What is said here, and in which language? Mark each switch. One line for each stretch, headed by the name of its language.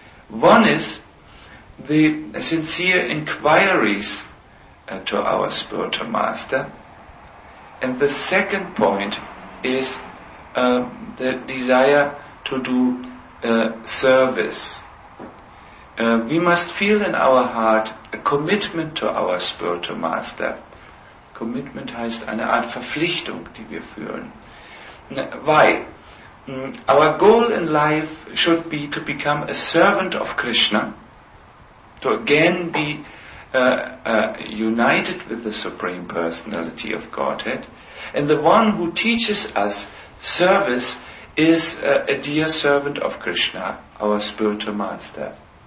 English: One is the sincere inquiries to our spiritual master, and the second point is the desire to do service. We must feel in our heart a commitment to our spiritual master.
German: Commitment heißt eine Art Verpflichtung, die wir fühlen.
English: Why? Our goal in life should be to become a servant of Krishna, to again be united with the Supreme Personality of Godhead. And the one who teaches us service is a dear servant of Krishna, our spiritual master.